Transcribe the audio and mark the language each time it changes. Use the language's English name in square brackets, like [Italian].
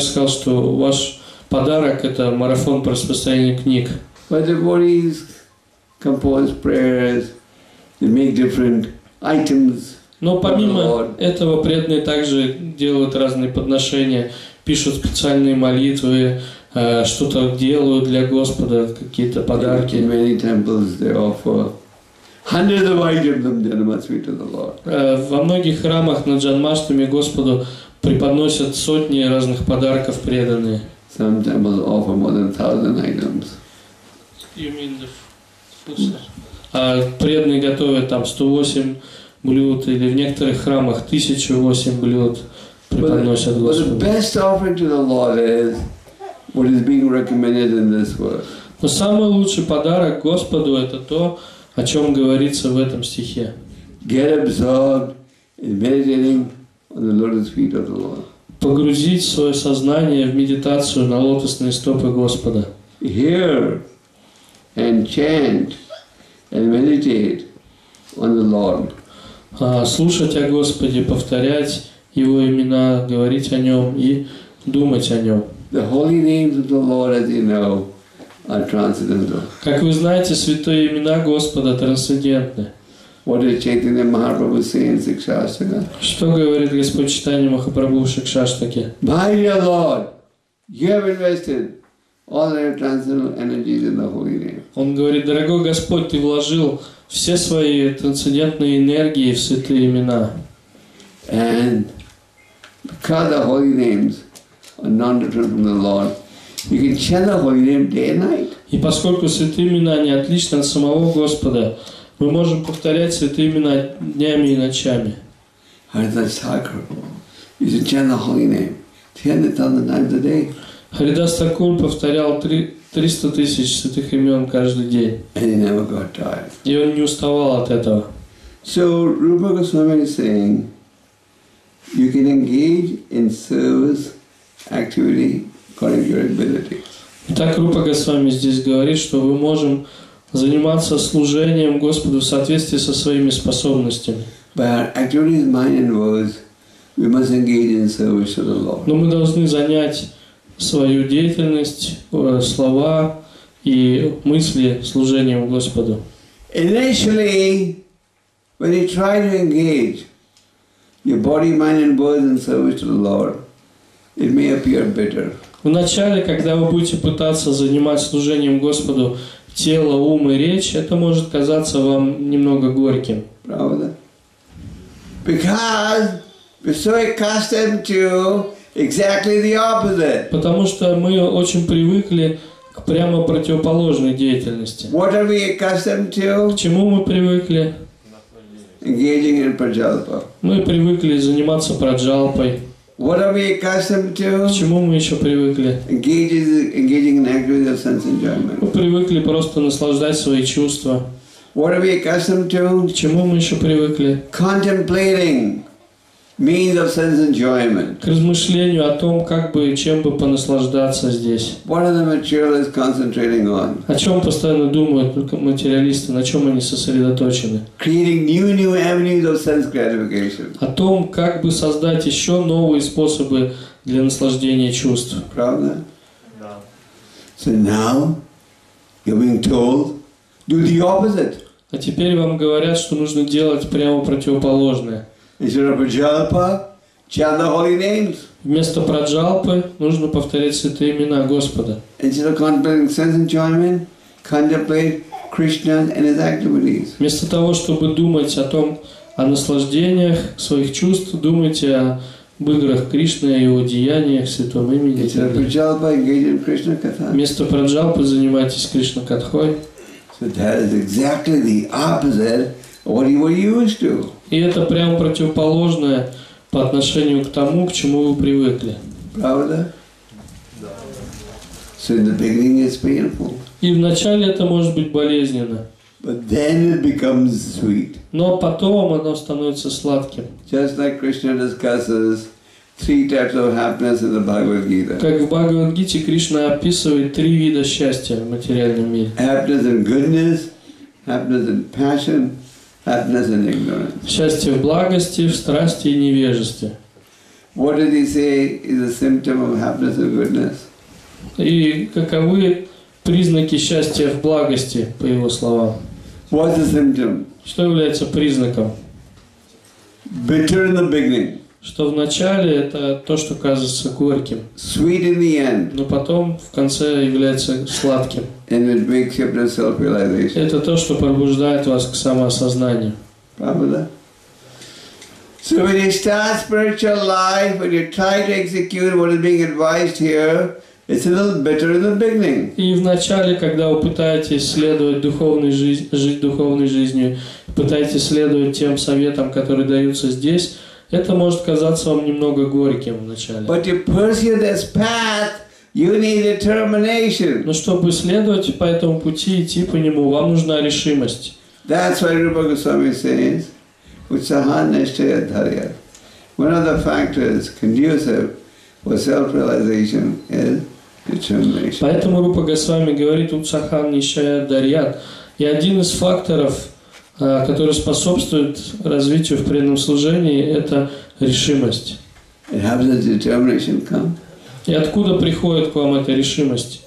[Russian] сказал, что ваш подарок – это марафон по распространению книг. [English] But the devotees compose prayers, they make different items. [Russian] Но помимо этого, преданные также делают разные подношения, пишут специальные молитвы, что-то делают для Господа, какие-то подарки. [English] In many temples they offer hundreds of items of Janmashtami to the Lord. [Russian] Во многих храмах на Джанмаштами Господу преподносят сотни разных подарков преданные. [English] Some temples offer more than 1,000 items. You mean the food, sir? [Russian] Преданные готовят там 108 блюд, или в некоторых храмах 1008 блюд преподносят Господу. [English] But the best offering to the Lord is what is being recommended in this verse. [Russian] Но самый лучший подарок Господу – это то, о чем говорится в этом стихе. [English] Get absorbed in meditating on the lotus feet of the Lord. [Russian] Погрузить свое сознание в медитацию на лотосные стопы Господа. [English] Hear and chant and meditate on the Lord. [Russian] Слушать о Господе, повторять Его имена, говорить о Нем и думать о Нем. [English] The holy names of the Lord, as you know, are transcendental. [Russian] Как вы знаете, святые имена Господа трансцендентны. [English] What did Chaitanya Mahaprabhu say in Shikshastaka? [Russian] Что говорит Господь Чайтанья Махапрабху в Шикшаштаке? [English] My dear Lord, you have invested all your transcendental energies in the holy name. [Russian] Он говорит, дорогой Господь, ты вложил все свои трансцендентные энергии в святые имена. [English] And because the holy names are non-different from the Lord, you can chant the holy name day and night. [Russian] И поскольку святые имена не отличны от самого Господа, мы можем повторять святые имена днями и ночами. [English] Haridas Thakur, you can chant the holy name 300,000 times a day. [Russian] Haridas Thakur повторял 300,000 святых имен каждый день. [English] And he never got tired. [Russian] И он не уставал от этого. [English] So Rupa Goswami is saying, you can engage in service activity according to your ability. [Russian] Итак, Рупа Госвами здесь говорит, что мы можем заниматься служением Господу в соответствии со своими способностями. [English] By our activities, mind and words, we must engage in service to the Lord. [Russian] Но мы должны занять свою деятельность, слова и мысли служением Господу. [English] Initially, when you try to engage your body, mind and words in service to the Lord, it may appear bitter. [Russian] Вначале, когда вы будете пытаться занимать служением Господу тело, ум и речь, это может казаться вам немного горьким. Правда? [English] Because we're so accustomed to exactly the opposite. [Russian] Потому что мы очень привыкли к прямо противоположной деятельности. [English] What are we accustomed to? [Russian] К чему мы привыкли? [English] engaging in праджалпа. [Russian] Мы привыкли заниматься праджалпой. [English] What are we accustomed to? [Russian] К чему мы еще привыкли? [English] Engaging in activity of sense enjoyment. [Russian] Мы привыкли просто наслаждать свои чувства. [English] What are we accustomed to? [Russian] К чему мы еще привыкли? [English] Contemplating means of sense enjoyment. [Russian] К размышлению о том, как бы, чем бы понаслаждаться здесь. [English] What are the materialists concentrating on? [Russian] О чем постоянно думают материалисты, на чем они сосредоточены? [English] Creating new avenues of sense gratification. [Russian] О том, как бы создать еще новые способы для наслаждения чувств. Правда? Да. [English] So now you're being told, do the opposite. [Russian] А теперь вам говорят, что нужно делать прямо противоположное. [English] Instead of праджалпа, chant the holy names. [Russian] Вместо праджалпы нужно повторять святые имена Господа. [English] Instead of contemplating sense enjoyment, contemplate Krishna and his activities. [Russian] Вместо того, чтобы думать о том, о наслаждениях своих чувств, думайте об играх Кришны и его деяниях, святом имени. [English] Instead of праджалпа, engage in Krishna katha. [Russian] Вместо праджалпы занимайтесь Кришна катхой. [English] So that is exactly the opposite of what you were used to. [Russian] И это прямо противоположное по отношению к тому, к чему вы привыкли. Правда? Да. [English] So in the beginning it's painful. [Russian] И вначале это может быть болезненно. [English] But then it becomes sweet. [Russian] Но потом оно становится сладким. [English] Just like Krishna discusses three types of happiness in the Bhagavad Gita. [Russian] Как в Бхагавад-гите Кришна описывает три вида счастья в материальном мире. [English] Happiness in goodness, happiness in passion. Happiness and ignorance. [Russian] Счастье в благости, в страсти и невежестве. [English] What did he say is a symptom of happiness and goodness? [Russian] И каковы признаки счастья в благости, по его словам? [English] What's the symptom? [Russian] Что является признаком? [English] Bitter in the beginning. [Russian] Что в начале это то, что кажется горьким. [English] Sweet in the end. [Russian] Но потом в конце является сладким. [English] And it makes you to self-realization. [Russian] Это то, что пробуждает вас к самоосознанию. Правда? [English] So when you start spiritual life, when you try to execute what is being advised here, it's a little bitter in the beginning. [Russian] И в начале, когда вы пытаетесь следовать духовной жизни, жить духовной жизнью, пытаетесь следовать тем советам, которые даются здесь, это может казаться вам немного горьким вначале. [English] But to pursue this path, you need determination. [Russian] Но чтобы следовать по этому пути, идти по нему, вам нужна решимость. [English] That's why Rupa Goswami says, [Sanskrit] Utsaha Nishchaya Dharya. [English] One of the factors conducive for self-realization is determination. [Russian] Поэтому Рупа Госвами говорит Утсаха Нищая Дарья. И один из факторов, который способствует развитию в преданном служении, это решимость. И откуда приходит к вам эта решимость?